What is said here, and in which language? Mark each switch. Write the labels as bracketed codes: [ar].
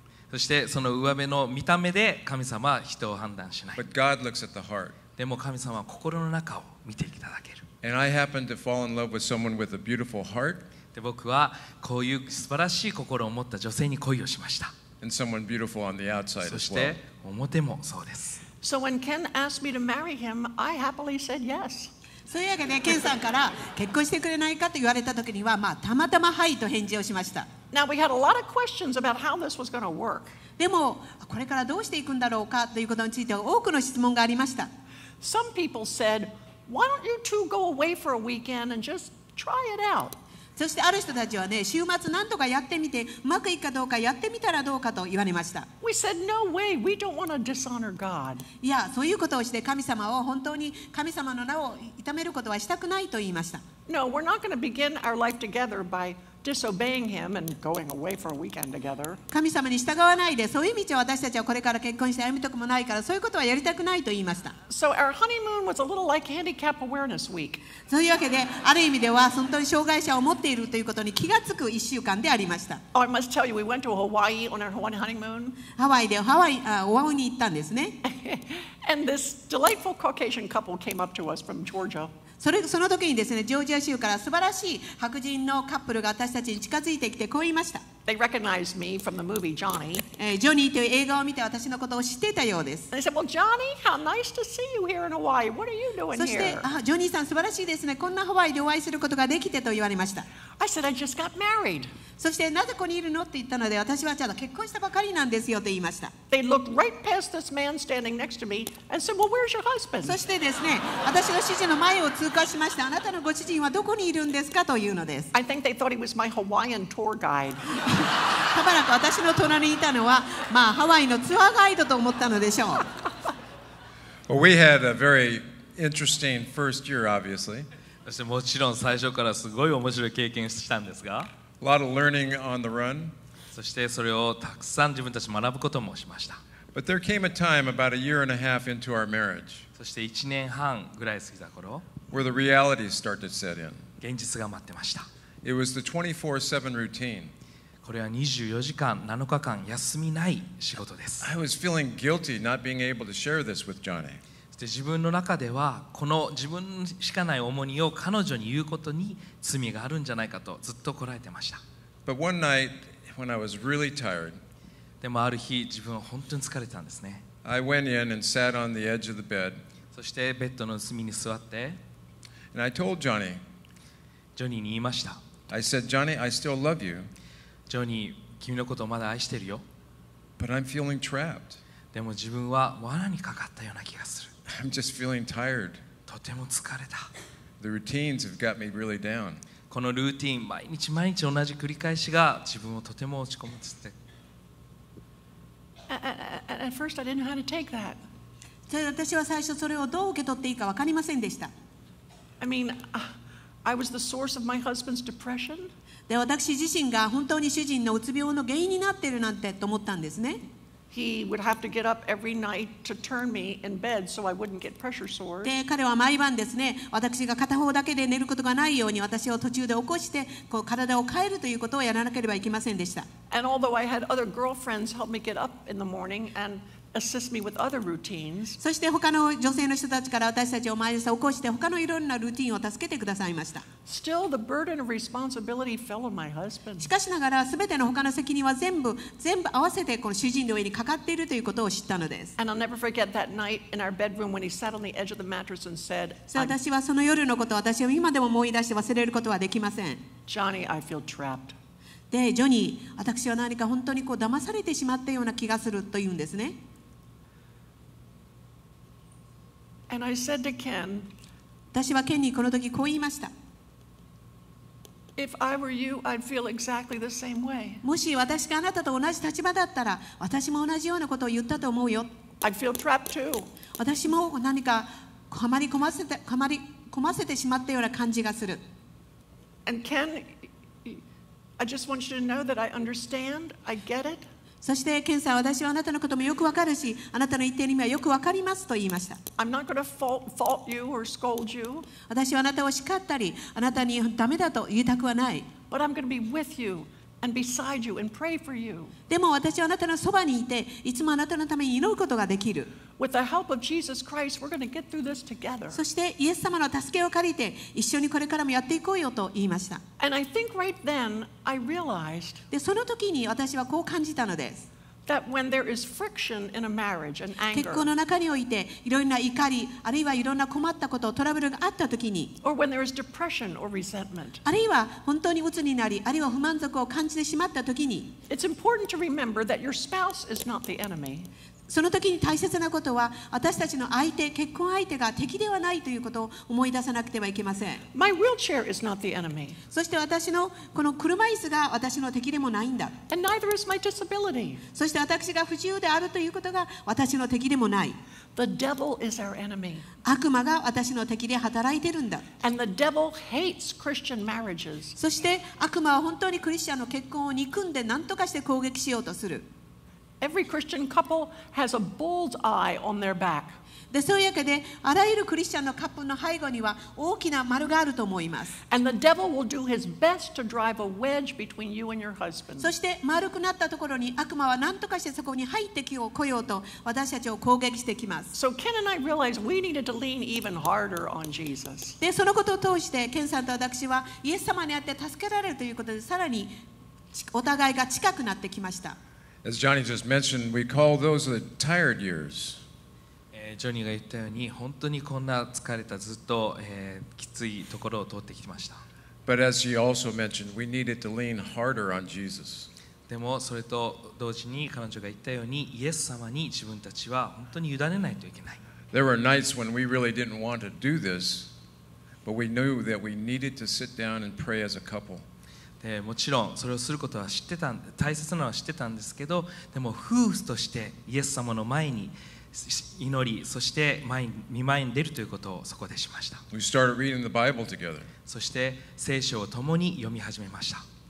[ja] そしてその上辺の見た目で神様は人を判断しない。 [en] But God looks at the heart. [ja] でも神様は心の中を見ていただける。 [en] And I happen to fall in love with someone with a beautiful heart. [ja] で僕はこういう素晴らしい心を持った女性に恋をしました。 [en] And someone beautiful on the outside as well. [ja] そして表もそうです。 [en] So when Ken asked me to marry him, I happily said yes. [ja] そういうわけで、ケンさんから結婚してくれないかと言われたときには、まあ、たまたまはいと返事をしました。 [en] Now, we had a lot of questions about how this was going to work. [ja] でも、これからどうしていくんだろうかということについて多くの質問がありました。 [en] Some people said, why don't you two go away for a weekend and just try it out? [ja] そしてある人たちはね、週末何とかやってみて、うまくいくかどうかやってみたらどうかと言われました。 [en] We said, no way, we don't want to dishonor God. [ja] いや、そういうことをして神様を本当に神様の名を痛めることはしたくないと言いました。 [en] No, we're not going to begin our life together by disobeying him and going away for a weekend together. [ja] 神様に従わないで、そういう道を私たちはこれから結婚して歩むとこもないから、そういうことはやりたくないと言いました。 [en] So our honeymoon was a little like handicap awareness week. [ja] そういうわけで、ある意味では本当に障害者を持っているということに気がつく1週間でありました。 [en] Oh, I must tell you, we went to Hawaii on our Hawaii honeymoon. [ja] ハワイでハワイ、オアフに行ったんですね。 [en] And this delightful Caucasian couple came up to us from Georgia. [ja] その時にですね、ジョージア州から素晴らしい白人のカップルが私たちに近づいてきてこう言いました。 [en] They recognized me from the movie Johnny. [ja] ジョニーという映画を見て私のことを知っていたようです。 [en] They said, "Well, Johnny, how nice to see you here in Hawaii. What are you doing here?" [ja] そして、ジョニーさん素晴らしいですね。こんなハワイでお会いすることができてと言われました。 [en] I said, "I just got married." [ja] そして、なぜここにいるのって言ったので、私はちゃんと結婚したばかりなんですよと言いました。 [en] They looked right past this man standing next to me and said, "Well, where's your husband?" [ja] そしてですね、私の主人の前を通過しました。あなたのご主人はどこにいるんですかというのです。 [en] I think they thought he was my Hawaiian tour guide. [ja] たまらく私の隣にいたのは、まあ、ハワイのツアーガイドと思ったのでしょう。 [en] Well, we had a very interesting first year, obviously. [ja] そしてもちろん最初からすごい面白い経験したんですが、 [en] A lot of learning on the run. [ja] そしてそれをたくさん自分たち学ぶこともしました。 [en] But there came a time about a year and a half into our marriage. [ja] そして1年半ぐらい過ぎた頃、 [en] Where the reality started to set in. [ja] 現実が待ってました。 [en] It was the 24/7 routine. [ja] これは24時間7日間休みない仕事です。 [en] I was feeling guilty not being able to share this with Johnny. [ja] で自分の中ではこの自分しかない重荷を彼女に言うことに罪があるんじゃないかとずっとこらえてました。 [en] But one night, when I was really tired, [ja] でもある日自分は本当に疲れてたんですね。 [en] I went in and sat on the edge of the bed, [ja] そしてベッドの隅に座って [en] and I told Johnny, [ja] ジョニーに言いました。 [en] I said, Johnny, I still love you, [ja] ジョニー、君のことをまだ愛してるよ。 [en] But I'm feeling trapped. [ja] でも自分は罠にかかったような気がする。 [en] I'm just feeling tired. [ja] とても疲れた。 [en] The routines have got me really down. [ja] このルーティン、毎日毎日同じ繰り返しが自分をとても落ち込むつって。 [en] At first, I didn't know how to take that. [ja] じゃあ私は最初それをどう受け取っていいか分かりませんでした。 [en] I mean, I was the source of my husband's depression. [ja] で、私自身が本当に主人のうつ病の原因になっているなんてと思ったんですね。 [en] He would have to get up every night to turn me in bed so I wouldn't get pressure sores. [ja] で、彼は毎晩ですね、私が片方だけで寝ることがないように私を途中で起こしてこう体を変えるということをやらなければいけませんでした。 [en] And although I had other girlfriends help me get up in the morning, and assist me with other routines. [ja] そして他の女性の人たちから私たちを毎朝起こして他のいろんなルーティーンを助けてくださいました。 [en] Still, the burden of responsibility fell on my husband. [ja] しかしながら全ての他の責任は全部合わせてこの主人の上にかかっているということを知ったのです。 [en] And I'll never forget that night in our bedroom when he sat on the edge of the mattress and said, [ja] 私はその夜のことを私は今でも思い出して忘れることはできません。 [en] Johnny, I feel trapped. [ja] でジョニー、私は何か本当にこう騙されてしまったような気がすると言うんですね。 [en] And I said to Ken, [ja] 私はケンにこの時こう言いました。 [en] If I were you, I'd feel exactly the same way. [ja] もし私があなたと同じ立場だったら、私も同じようなことを言ったと思うよ。 [en] I'd feel trapped too. [ja] 私も何かはまり込ませてしまったような感じがする。 [en] And Ken,I just want you to know that I understand. I get it. [ja] そしてケンさん、私はあなたのこともよくわかるし、あなたの言っている意味はよくわかりますと言いました。 [en] I'm not going to fault you or scold you. [ja] 私はあなたを叱ったり、あなたにダメだと言いたくはない。 [en] But I'm going to be with you and beside you and pray for you. [ja] でも私はあなたのそばにいて、いつもあなたのために祈ることができる。 [en] With the help of Jesus Christ, we're going to get through this together. [ja] そしてイエス様の助けを借りて一緒にこれからもやっていこうよと言いました。 [en] And I think right then I realized [ja] でその時に私はこう感じたのです。 [en] That when there is friction in a marriage and anger [ja] 結婚の中においていろんな怒りあるいはいろんな困ったことトラブルがあった時に [en] Or when there is depression or resentment [ja] あるいは本当に鬱になりあるいは不満足を感じてしまった時に [en] It's important to remember that your spouse is not the enemy. [ja] その時に大切なことは私たちの相手結婚相手が敵ではないということを思い出さなくてはいけません。 [en] My wheelchair is not the enemy. [ja] そして私のこの車椅子が私の敵でもないんだ。 [en] And neither is my disability. [ja] そして私が不自由であるということが私の敵でもない。 [en] The devil is our enemy. [ja] 悪魔が私の敵で働いてるんだ。 [en] And the devil hates Christian marriages. [ja] そして悪魔は本当にクリスチャンの結婚を憎んで何とかして攻撃しようとする。 [en] Every Christian couple has a bull's eye on their back. [ja] で、そういうわけで、あらゆるクリスチャンのカップの背後には大きな丸があると思います。 [en] And the devil will do his best to drive a wedge between you and your husband. [ja] そして丸くなったところに悪魔は何とかしてそこに入ってきようこようと私たちを攻撃してきます。 [en] So Ken and I realized we needed to lean even harder on Jesus. [ja] で、そのことを通して、ケンさんと私はイエス様にあって助けられるということでさらにお互いが近くなってきました。 [en] As Johnny just mentioned, we call those the tired years. [ja] ジョニーが言ったように、本当にこんな疲れたずっと、きついところを通ってきました。 [en] But as she also mentioned, we needed to lean harder on Jesus. [ja] でもそれと同時に彼女が言ったように、イエス様に自分たちは本当に委ねないといけない。 [en] There were nights when we really didn't want to do this, but we knew that we needed to sit down and pray as a couple. [ja] もちろんそれをすることは知ってた、大切なのは知ってたんですけど、でも夫婦としてイエス様の前に祈り、そして見舞いに出るということをそこでしました。 [en] We started reading the Bible together. [ja] そして聖書を共に読み始めました。